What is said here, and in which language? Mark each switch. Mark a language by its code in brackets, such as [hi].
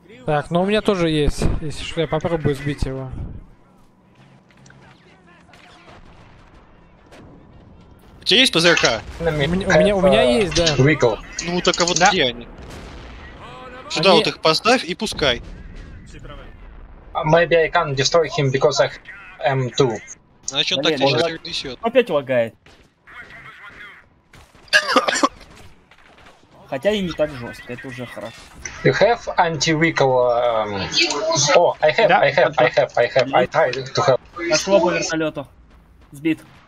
[ru] Так, ну у меня тоже есть. Если что, я попробую сбить его. У тебя есть ПЗРК? У меня есть, да. Ну, так а вот да. Где они? Сюда они... вот их поставь и пускай. [en] Maybe I can't destroy him because I am too. [ru] Значит, он так тебя сейчас перенесет. Опять лагает. Хотя и не так жестко, это уже хорошо. [en] You have anti-vehicle... I have. [ru] Пошло по вертолету. Сбит.